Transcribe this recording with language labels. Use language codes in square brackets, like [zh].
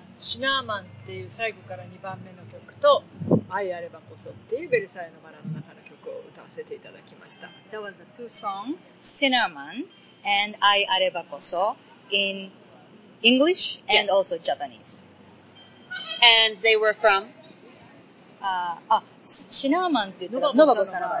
[ja] シナーマンっていう最後から2番目の曲と愛あればこそっていうベルサイユのバラの中の曲を歌わせていただきました。 [en] That was the two songs, Cinnamon and 愛あればこそ in English and also Japanese. And they were from? [ja] シナーマンって言ったらノバボサノバ。